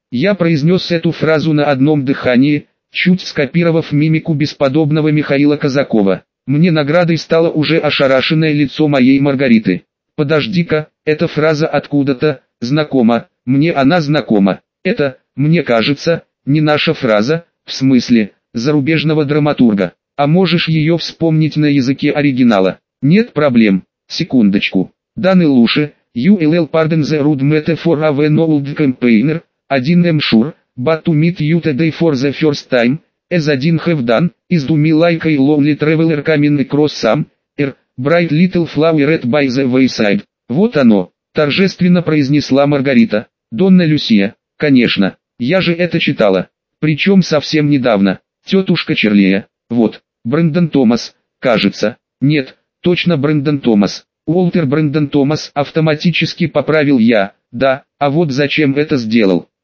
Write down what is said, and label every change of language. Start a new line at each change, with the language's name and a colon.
Russian: Я произнес эту фразу на одном дыхании, чуть скопировав мимику бесподобного Михаила Казакова. Мне наградой стало уже ошарашенное лицо моей Маргариты. «Подожди-ка, Эта фраза откуда-то знакома, мне она знакома. Это, мне кажется, не наша фраза, в смысле, зарубежного драматурга. А можешь ее вспомнить на языке оригинала? Нет проблем. Секундочку.
English: Даны Луши, you will pardon the rude metaphor of an old campaigner, I am sure, but to meet you today for the first time, as I have done, is to me like a lonely traveler coming across some, bright little flower at by the wayside.
Russian: Вот оно, торжественно произнесла Маргарита. Донна Люсия, конечно, я же это читала. Причем совсем недавно, тетушка Черлея, вот, Брэндон Томас, кажется, нет, точно Брэндон Томас. Уолтер Брэндон Томас, автоматически поправил я, да, а вот зачем это сделал.